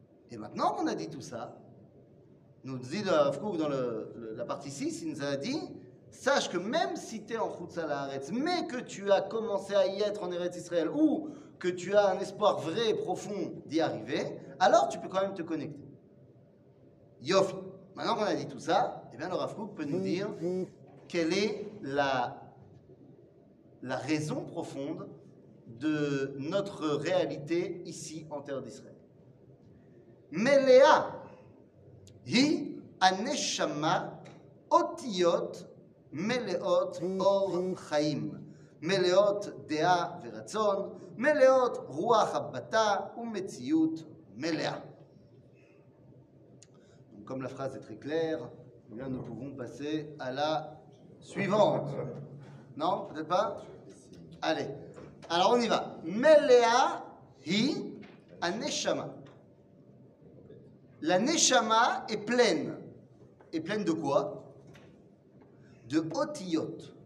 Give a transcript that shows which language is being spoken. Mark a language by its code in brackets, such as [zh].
[fr] Et maintenant qu'on a dit tout ça, nous dit le Rav Kook dans la partie 6, il nous a dit: sache que même si tu es en Chutz Laaretz, mais que tu as commencé à y être en Eretz Israël ou que tu as un espoir vrai et profond d'y arriver, alors tu peux quand même te connecter. Yofi. Maintenant qu'on a dit tout ça, eh bien le Rav Kook peut nous dire quelle est la raison profonde de notre réalité ici en terre d'Israël. [he] Meléa hi aneshama otiyot מלאות אור חיים, מלאות דעה ורצון, מלאות רוח הבטה ומציאות מלאה. [fr] Donc, comme la phrase est très claire, eh bien, nous pouvons passer à la suivante. Non, peut-être pas? Allez, alors on y va. [he] מלאה היא הנשמה. [fr] La neshama est pleine. Et pleine de quoi? De otiyot.